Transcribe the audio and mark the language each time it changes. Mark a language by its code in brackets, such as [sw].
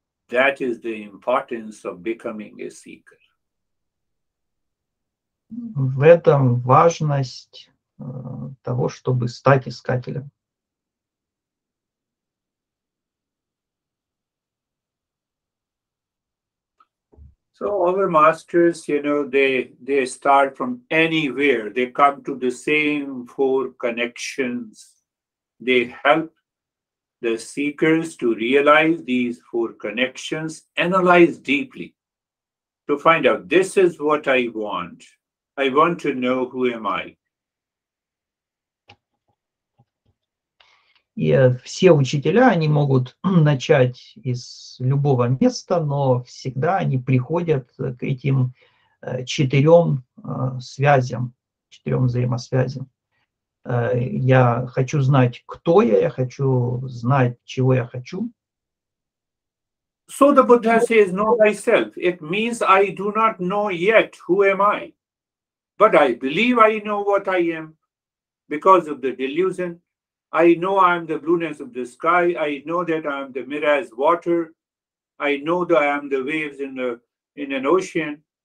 [en] That is the importance of becoming a seeker. [ru] В этом важность того, чтобы стать искателем. [en] So our masters, you know, they start from anywhere. They come to the same four connections. They help the seekers to realize these four connections, analyze deeply to find out, this is what I want. I want to know who am I. [ru] И все учителя, они могут начать из любого места, но всегда они приходят к этим четырем связям, четырем взаимосвязям. Я хочу знать, кто я хочу знать, чего я хочу. [en] So the Buddha says, know thyself. It means I do not know yet who am I. But I believe I know what I am because of the delusion. I know I am the blueness of the sky. I know that I am the mirage water. I know that I am the waves in an ocean.